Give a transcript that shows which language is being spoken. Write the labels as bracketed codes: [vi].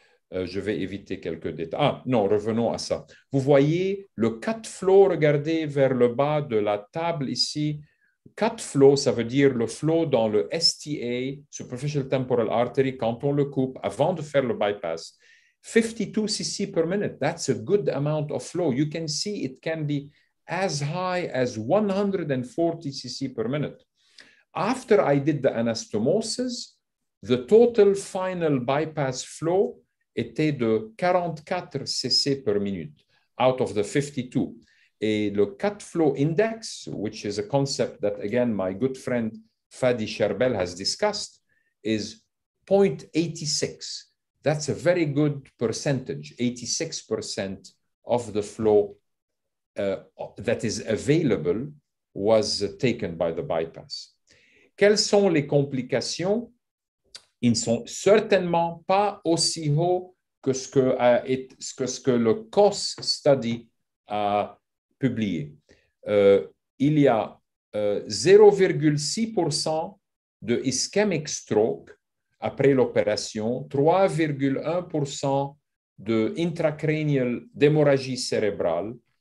[fr] Je vais éviter quelques détails. Ah non, revenons à ça. Vous voyez le cut flow, regardez vers le bas de la table ici. Cut flow, ça veut dire le flow dans le STA, [en] superficial temporal artery, [fr] quand on le coupe avant de faire le bypass. [en] 52 cc per minute, that's a good amount of flow. You can see it can be as high as 140 cc per minute. After I did the anastomosis, the total final bypass flow [fr] était de [en] 44 cc per minute, out of the 52. [fr] Et le [en] cut flow index, which is a concept that, again, my good friend Fadi Sherbel has discussed, is 0.86. That's a very good percentage, 86% of the flow that is available was taken by the bypass. [fr] Quelles sont les complications? Ils ne sont certainement pas aussi hauts que ce que le COS study a publié. Il y a 0,6% de ischemic stroke après l'opération, 3,1% de intracranial d'hémorragie cérébrale.